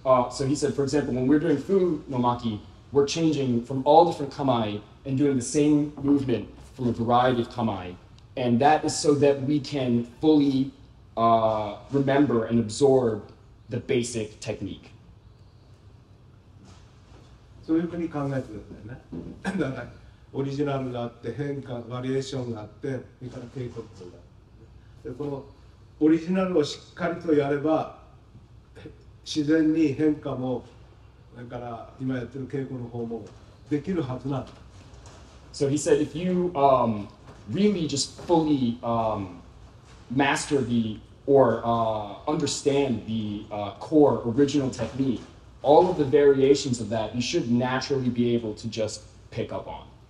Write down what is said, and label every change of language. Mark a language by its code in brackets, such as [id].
[en] So he said, for example, when we're doing 風の巻, we're changing from all different 構え and doing the same movement from a variety of 構え, and that is so that we can fully remember and absorbthe basic technique. [ja] そういうふうに考えてるんだよね。だからオリジナルがあって変化、バリエーションがあって、それから稽古とか。で、このオリジナルをしっかりとやれば、自然に変化も、だから今やってる稽古の方もできるはずなんだ。 [en] So he said, if you really just fully master theOr understand the core original technique, all of the variations of that you should naturally be able to just pick up on.